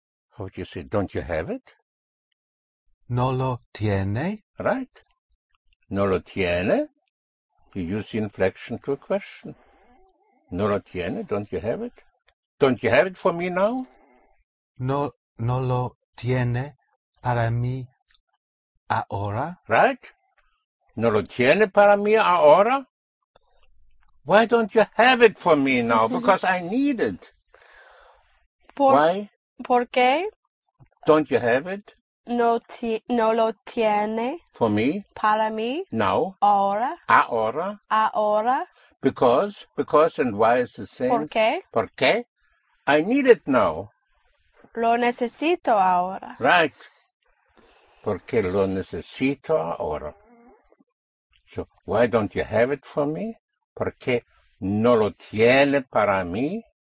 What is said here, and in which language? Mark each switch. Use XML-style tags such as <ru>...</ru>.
<en>How would you say, don't you have it?</en> <es>No lo tiene. Right. No lo tiene.</es> <en>You use the inflection to a question.</en> <es>No lo tiene,</es> <en>don't you have it? Don't you have it for me now?</en> <es>No lo tiene para mí ahora. Right. No lo tiene para mí ahora.</es> <en>Why don't you have it for me now? Because I need it. Why?</en> <es>¿Por qué?</es> <en>Don't you have it?</en> <es>No lo tiene.</es> <en>For me?</en> <es>Para mí.</es> <en>Now?</en> <es>Ahora. Ahora. Ahora.</es> <en>Because and why is the same?</en> <es>¿Por qué? ¿Por qué?</es> <en>I need it now.</en> <es>Lo necesito ahora.</es> <en>Right.</en> <es>Porque lo necesito ahora.</es> <en>So, why don't you have it for me?</en> <es>Porque no lo tiene para mí.</es>